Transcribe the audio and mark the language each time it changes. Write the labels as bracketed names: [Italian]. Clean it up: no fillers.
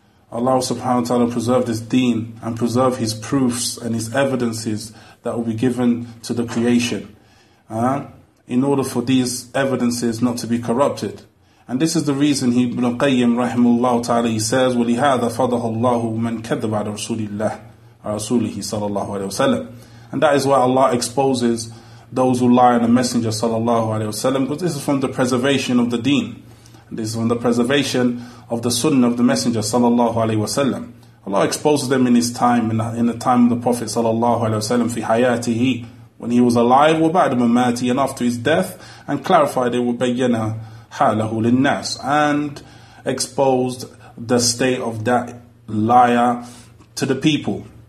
[English] Allah subhanahu wa ta'ala preserve this deen and preserve his proofs and his evidences that will be given to the creation. in order for these evidences not to be corrupted. And this is the reason he, Ibn Qayyim rahimahullah ta'ala, he says, [Arabic] وَلِهَذَا فَضَهُ اللَّهُ مَنْ كَذَّبَ عَلَى رَسُولِ اللَّهِ رَسُولِهِ صَلَى اللَّهُ عَلَيْهِ وَسَلَّمَ. [English] And that is why Allah exposes those who lie on the Messenger sallallahu alayhi wa sallam, because this is from the preservation of the deen. This is from the preservation of the sunnah of the Messenger sallallahu alayhi wa sallam. Allah exposes them in his time, in the time of the Prophet sallallahu alayhi wa sallam, [Arabic] fi hayatihi, [English] when he was alive, [Arabic] wa ba'da mamati, [English] and after his death, and clarified it with [Arabic] bayyana halahu linnas, [English] and exposed the state of that liar to the people.